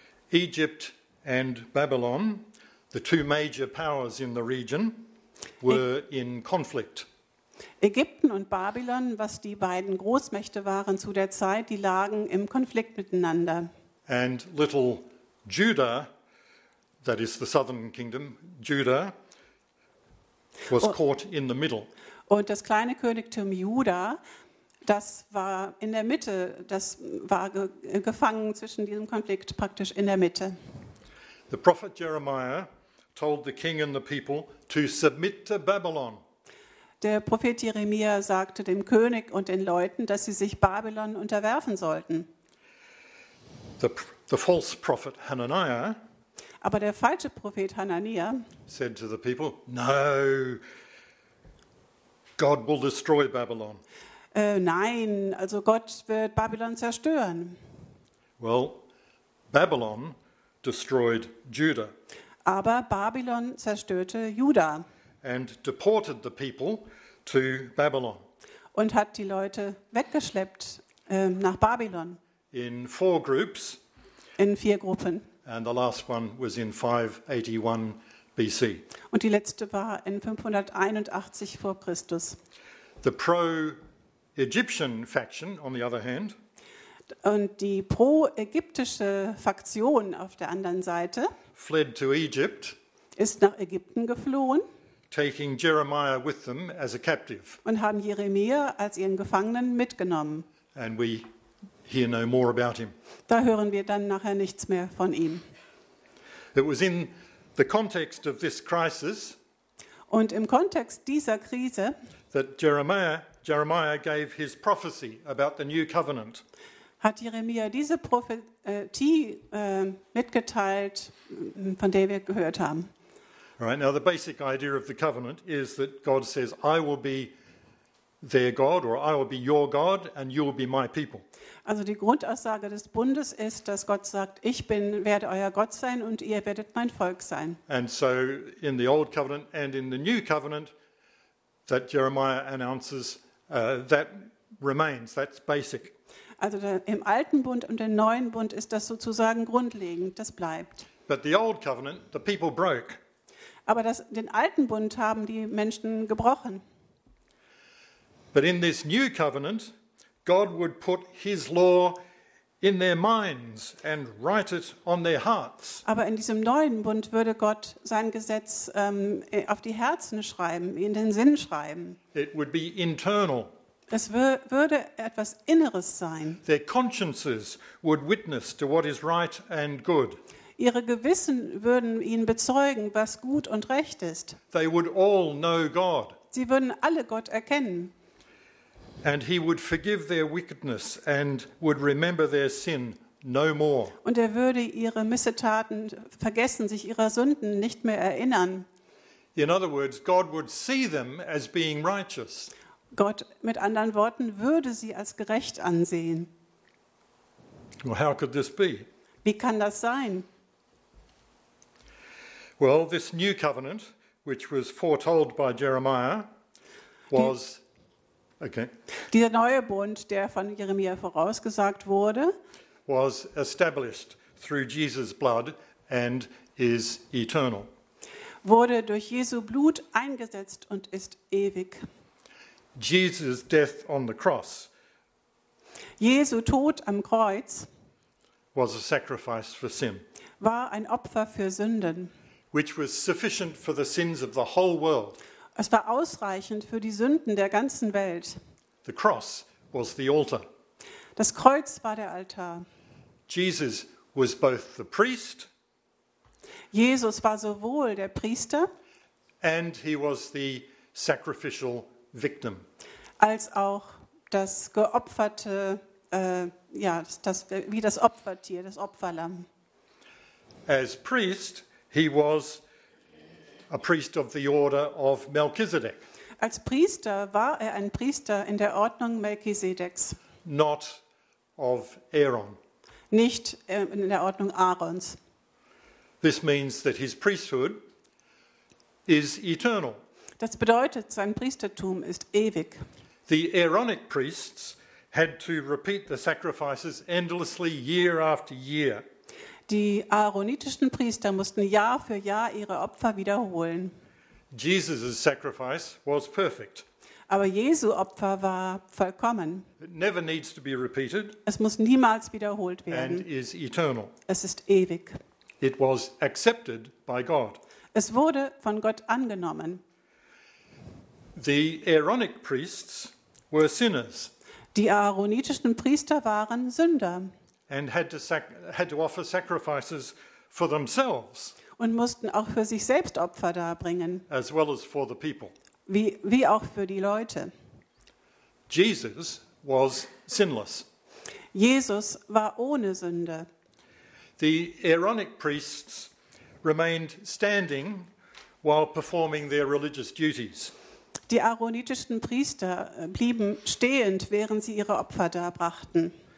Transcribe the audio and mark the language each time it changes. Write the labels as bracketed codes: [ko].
[en] Egypt and Babylon, the two major powers in the region, were in conflict. [de] Ägypten und Babylon, was die beiden Großmächte waren zu der Zeit, die lagen im Konflikt miteinander. [en] And little Judah, that is the southern kingdom, Judah, was caught in the middle. [de] Und das kleine Königtum Juda, das war in der Mitte, das war gefangen zwischen diesem Konflikt praktisch in der Mitte. [en] The prophet Jeremiah told the king and the people to submit to Babylon. [de] Der Prophet Jeremia sagte dem König und den Leuten, dass sie sich Babylon unterwerfen sollten. [en] The false prophet Hananiah, [de] aber der falsche Prophet Hananiah, [en] said to the people, no, God will destroy Babylon. [de] Nein, also Gott wird Babylon zerstören. [en] Well, Babylon destroyed Judah. [de] Aber Babylon zerstörte Juda. [en] And deported the people to Babylon. [de] Und hat die Leute weggeschleppt nach Babylon. [en] In four groups. [de] In vier Gruppen. [en] And the last one was in 581 BC. [de] Und die letzte war in 581 vor Christus. [en] The pro-Egyptian faction, on the other hand. [de] Und die pro-ägyptische Fraktion auf der anderen Seite. [en] Fled to Egypt. [de] Ist nach Ägypten geflohen. [en] Taking Jeremiah with them as a captive. [de] Und haben Jeremia als ihren Gefangenen mitgenommen. [en] And we hear no more about him. [de] Da hören wir dann nachher nichts mehr von ihm. [en] It was in the context of this crisis. [de] Und im Kontext dieser Krise. [en] That Jeremiah gave his prophecy about the new covenant. [de] Hat Jeremia diese Prophetie mitgeteilt, von der wir gehört haben. [en] Right, now the basic idea of the covenant is that God says, I will be their God or I will be your God and you will be my people. [de] Also die Grundaussage des Bundes ist, dass Gott sagt, ich bin werde euer Gott sein und ihr werdet mein Volk sein. [en] And so in the old covenant and in the new covenant that Jeremiah announces, that remains. That's basic. [de] Also im alten Bund und im neuen Bund ist das sozusagen grundlegend, das bleibt. [en] But the old covenant, the people broke. [de] Aber das, den alten Bund haben die Menschen gebrochen. [en] But in this new covenant, God would put his law in their minds and write it on their hearts. [de] Aber in diesem neuen Bund würde Gott sein Gesetz auf die Herzen schreiben, in den Sinn schreiben. [en] It would be internal. [de] Es würde etwas Inneres sein. [en] Their consciences would witness to what is right and good. [de] Ihre Gewissen würden ihnen bezeugen, was gut und recht ist. [en] They would all know God. [de] Sie würden alle Gott erkennen. [en] And he would forgive their wickedness and would remember their sin no more. [de] Und würde ihre Missetaten vergessen, sich ihrer Sünden nicht mehr erinnern. [en] In other words, God would see them as being righteous. [de] Gott, mit anderen Worten, würde sie als gerecht ansehen. [en] Well, how could this be? [de] Wie kann das sein? [en] Well, this new covenant, which was foretold by Jeremiah, was... Okay. [de] Dieser neue Bund, der von Jeremia vorausgesagt wurde, [en] was established through Jesus' blood and is eternal. [de] Wurde durch Jesu Blut eingesetzt und ist ewig. [en] Jesus' death on the cross. [de] Jesu Tod am Kreuz [en] was a sacrifice for sin. [de] War ein Opfer für Sünden. [en] Which was sufficient for the sins of the whole world. [de] Es war ausreichend für die Sünden der ganzen Welt. [en] The cross was the altar. [de] Das Kreuz war der Altar. [en] Jesus was both the priest. [de] Jesus war sowohl der Priester [en] and he was the sacrificial victim. [de] Als auch das geopferte wie das Opfertier, das Opferlamm. [en] As priest, he was a priest of the order of Melchizedek. [de] Als Priester war ein Priester in der Ordnung Melchizedeks. [en] Not of Aaron. [de] Nicht in der Ordnung Aarons. [en] This means that his priesthood is eternal. [de] Das bedeutet, sein Priestertum ist ewig. [en] The Aaronic priests had to repeat the sacrifices endlessly year after year. [de] Die aaronitischen Priester mussten Jahr für Jahr ihre Opfer wiederholen. [en] Jesus' sacrifice was perfect. [de] Aber Jesu Opfer war vollkommen. [en] It never needs to be repeated. [de] Es muss niemals wiederholt werden. [en] And is eternal. [de] Es ist ewig. [en] It was accepted by God. [de] Es wurde von Gott angenommen. [en] The Aaronic priests were sinners. [de] Die aaronitischen Priester waren Sünder. [en] And had to offer sacrifices for themselves. [de] Und mussten auch für sich selbst Opfer darbringen. [en] As well as for the people. [de] Wie auch für die Leute. [en] Jesus was sinless. [de] Jesus war ohne Sünde. [en] The Aaronic priests remained standing while performing their religious duties. [de] Die aaronitischen Priester blieben stehend, während sie ihre Opfer darbrachten.